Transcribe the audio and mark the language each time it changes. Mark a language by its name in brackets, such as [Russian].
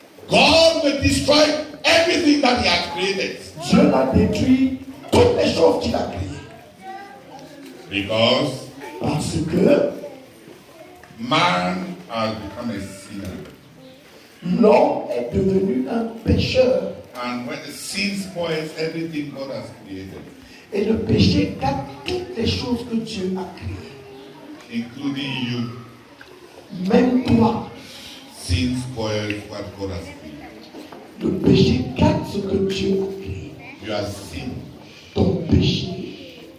[English] God will destroy everything that he has created. [French] Dieu a détruit toutes les choses qu'il a créées. [English] Because [French] parce que [English] man has become a sinner. [French] L'homme est devenu un pécheur. [English] And when the sin spoils everything God has created. [French] Et le péché gâte toutes les choses que Dieu a créées. [English] Including you. [French] Même toi. [English] Sin spoils what God has created. [French] Le péché gâte ce que Dieu a créé. [English] You are sin. [French] Ton péché